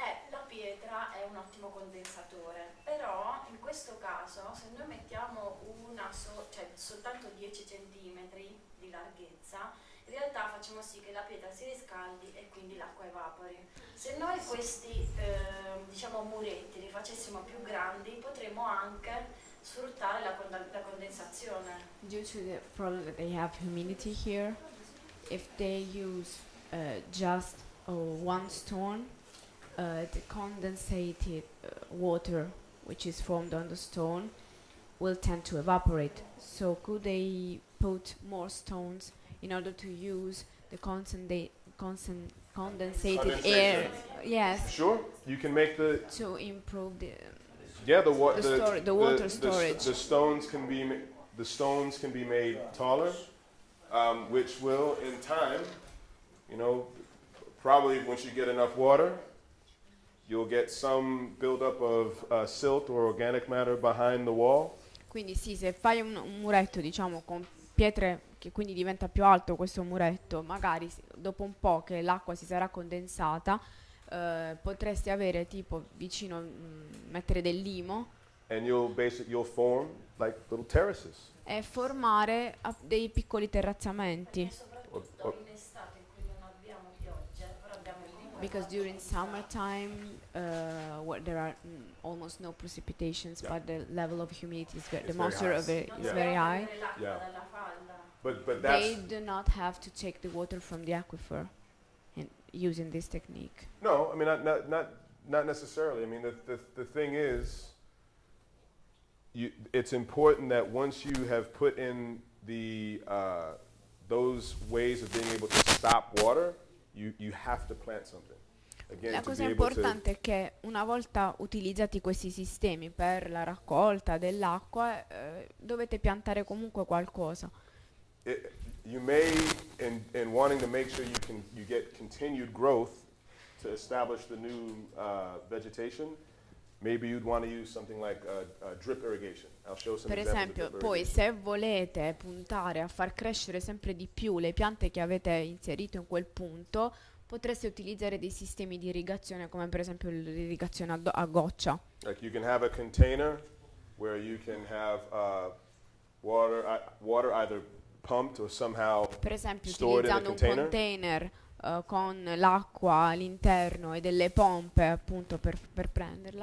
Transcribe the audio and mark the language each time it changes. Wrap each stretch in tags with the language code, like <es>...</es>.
<it>La pietra è un ottimo condensatore, però in questo caso se noi mettiamo una cioè soltanto 10 cm di larghezza, in realtà facciamo sì che la pietra si riscaldi e quindi l'acqua evapori. Se noi questi diciamo muretti li facessimo più grandi, potremmo anche sfruttare la condensazione.</it> <en>Due to the problem that they have humidity here, if they use just one stone, the condensated water which is formed on the stone will tend to evaporate. So could they put more stones in order to use the condensated air? Yes. Sure. You can make the... To improve the... Yeah, the water... The water storage. The stones can be made taller, which will, in time, you know, probably once you get enough water, you'll get some buildup of silt or organic matter behind the wall.</en> <it>Quindi sì, se fai un muretto, diciamo, con pietre... che quindi diventa più alto questo muretto, magari dopo un po' che l'acqua si sarà condensata, potresti avere tipo vicino, mettere del limo.</it> <en>And you'll form like little terraces.</en> <it>E formare dei piccoli terrazzamenti. Perché soprattutto in estate, in cui non abbiamo pioggia, però abbiamo il limo.</it> <en>Because during summertime, where there are almost no precipitations, yeah, but the level of humidity is the moisture of it is very high. Yeah. But they do not have to take the water from the aquifer in using this technique. No, I mean not necessarily. I mean the thing is, it's important that once you have put in the those ways of being able to stop water, you have to plant something. Again,</en> <it>la cosa importante è che una volta utilizzati questi sistemi per la raccolta dell'acqua, dovete piantare comunque qualcosa.</it> <en>You may, in wanting to make sure you get continued growth to establish the new vegetation, maybe you'd want to use something like a drip irrigation. I'll show some</en> <it>per esempio, poi se volete puntare a far crescere sempre di più le piante che avete inserito in quel punto, potreste utilizzare dei sistemi di irrigazione come per esempio l'irrigazione a goccia.</it> <en>Like you can have a container where you can have water either pumped or somehow</en> <it>per esempio utilizzando</it> <en>in a container.</en> <it>Un container con l'acqua all'interno e delle pompe appunto per prenderla.</it>